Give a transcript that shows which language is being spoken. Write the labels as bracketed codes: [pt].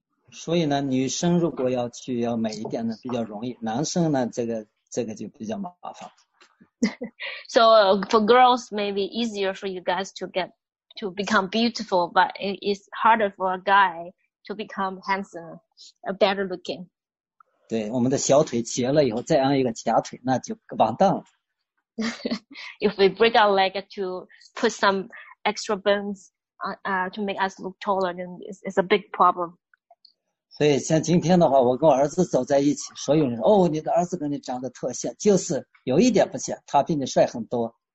[zh] 所以呢，女生如果要去要美一点呢，比较容易。男生呢，这个就比较麻烦。 [en] So for girls, maybe easier for you guys to become beautiful, but it is harder for a guy to become handsome, a better looking. [zh] 对，我们的小腿截了以后，再安一个假腿，那就完蛋了。 [en] If we break our leg to put some extra bones to make us look taller, then it's a big problem. [zh] 所以像今天的话，我跟我儿子走在一起，所有人说，哦，你的儿子跟你长得特像，就是有一点不像，他比你帅很多。